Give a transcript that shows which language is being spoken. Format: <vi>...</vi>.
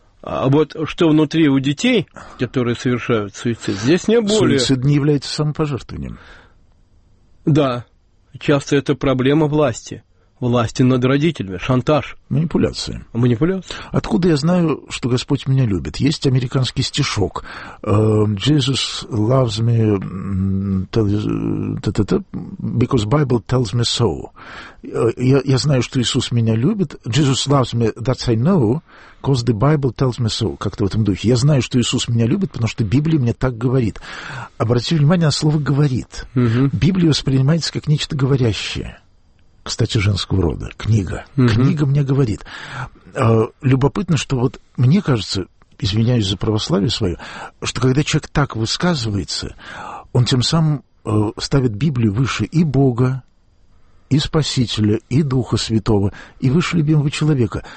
<ru>А вот что внутри у детей, которые совершают суицид, здесь не более... Суицид не является самопожертвованием. Да. Часто это проблема власти. Власти над родителями. Шантаж. Манипуляции. Манипуляции. Откуда я знаю, что Господь меня любит? Есть американский стишок.</ru> <en>Jesus loves me because Bible tells me so.</en> <ru>Я знаю, что Иисус меня любит.</ru> <en>Jesus loves me, that's I know, because the Bible tells me so.</en> <ru>Как-то в этом духе. Я знаю, что Иисус меня любит, потому что Библия мне так говорит. Обратите внимание на слово «говорит». Uh-huh. Библия воспринимается как нечто говорящее. Кстати, женского рода. Книга. Угу. Книга мне говорит. Любопытно, что вот мне кажется, извиняюсь за православие свое, что когда человек так высказывается, он тем самым ставит Библию выше и Бога, и Спасителя, и Духа Святого, и выше любимого человека.</ru>